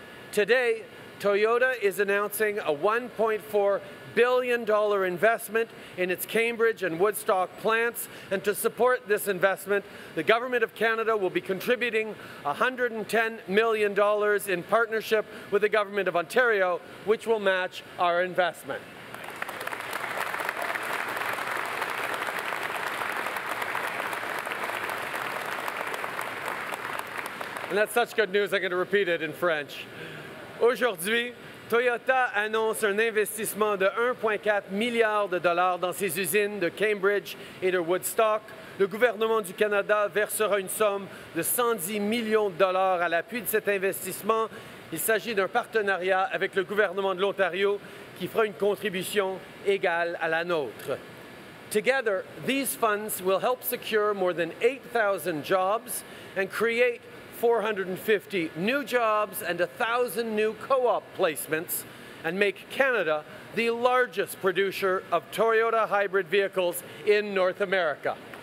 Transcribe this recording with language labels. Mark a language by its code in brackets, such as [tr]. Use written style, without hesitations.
[en] Today, Toyota is announcing a $1.4 billion investment in its Cambridge and Woodstock plants, and to support this investment, the Government of Canada will be contributing $110 million in partnership with the Government of Ontario, which will match our investment. And that's such good news, I'm going to repeat it in French. [fr] Aujourd'hui, Toyota annonce un investissement de 1,4 milliard de dollars dans ses usines de Cambridge et de Woodstock. Le gouvernement du Canada versera une somme de 110 millions de dollars à l'appui de cet investissement. Il s'agit d'un partenariat avec le gouvernement de l'Ontario qui fera une contribution égale à la nôtre. [en] Together, these funds will help secure more than 8,000 jobs and create 450 new jobs and 1,000 new co-op placements, and make Canada the largest producer of Toyota hybrid vehicles in North America.